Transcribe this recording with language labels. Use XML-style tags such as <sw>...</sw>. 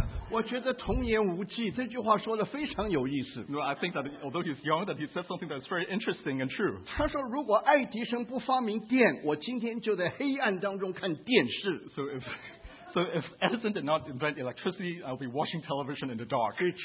<zh>我觉得童言无忌这句话说的非常有意思。</zh> <en>No, I think that although he's young, that he said something that's very interesting and true.</en> <zh>他说如果爱迪生不发明电，我今天就在黑暗当中看电视。</zh> <en>So if Edison did not invent electricity, I'll be watching television in the dark.</en>